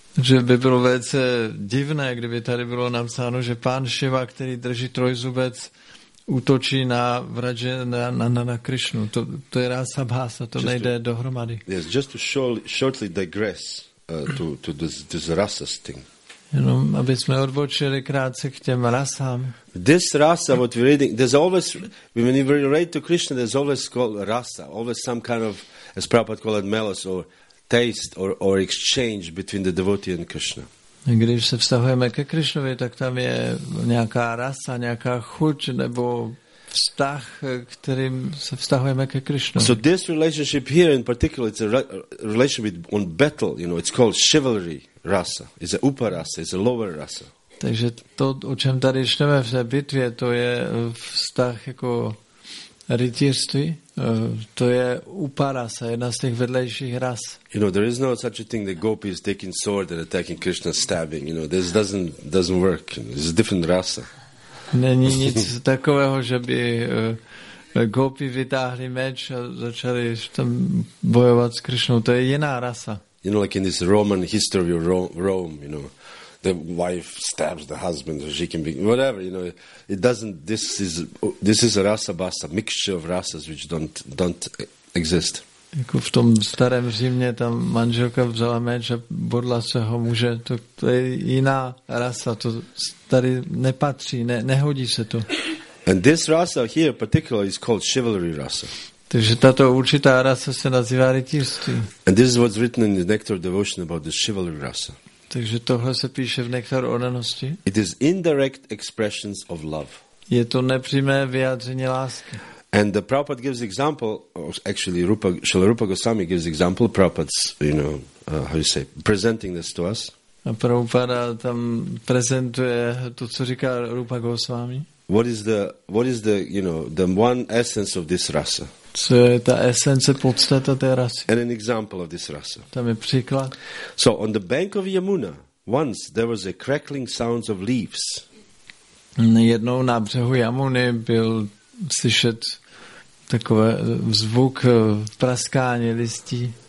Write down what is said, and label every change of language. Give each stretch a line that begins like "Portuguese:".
Czech: Že by bylo velice divné, kdyby tady bylo napsáno, že pán Shiva, který drží trojzubec, útočí na Vrajendra Nandana Krishna. To je rasabas a to nejde dohromady.
English: Yes, just to shortly digress to this rasas thing.
Czech: Jenom, aby jsme odbočili krátce k těm rasám.
English: This rasa, what we're reading, there's always, when we read to Krishna, there's always called rasa, always some kind of, as Prabhupada called it, melos, or taste, or exchange between the devotee and Krishna.
Czech: Když se vztahujeme ke Krishnovi, tak tam je nějaká rasa, nějaká chuť, nebo vztah, kterým se vztahujeme ke Krishnovi.
English: So this relationship here in particular, it's a relationship on battle, you know, it's called chivalry. Rasa. It's a upper rasa. It's a lower rasa.
Czech: Takže to, o čem tady čteme v té bitvě, to je vztah jako rytířství. To je upper rasa, jedna z těch vedlejších ras.
English: You know, there is no such a thing that Gopi is taking sword and attacking Krishna, stabbing. You know, this doesn't work. It's a different rasa.
Czech: Není nic takového, že by Gopi vytáhli meč a začali tam bojovat s Krishnou. To je jiná rasa.
English: You know, like in this Roman history of Rome, you know, the wife stabs the husband, or she can be, whatever, you know, it doesn't, this is a rasa basa, mixture of rasas which don't exist.
Czech: Jako v tom starém Římě tam manželka vzala meč a bodla svého muže, to je jiná rasa, to tady nepatří, nehodí se to.
English: And this rasa here particularly is called chivalry rasa.
Czech: Takže tato určitá rasa se nazývá rytířství.
English: And this is what's written in the Nectar of Devotion about the chivalry rasa.
Czech: Takže tohle se píše v Nektar oddanosti.
English: It is indirect expressions of love.
Czech: Je to nepřímé vyjádření lásky.
English: And the Prabhupada gives example, actually Srila Rupa Goswami gives example, Prabhupada's, you know, how you say, presenting this to us.
Czech: A Prabhupada tam prezentuje to, co říká Rupa Goswami.
English: What is the you know the one essence of this rasa?
Czech: Co je ta esence, podstata té rasy?
English: And an example of this rasa.
Czech: Tam je příklad.
English: So on the bank of Yamuna, once there was a crackling sounds of leaves.
Czech: Jednou na břehu Yamuny byl slyšet takový zvuk praskání listí.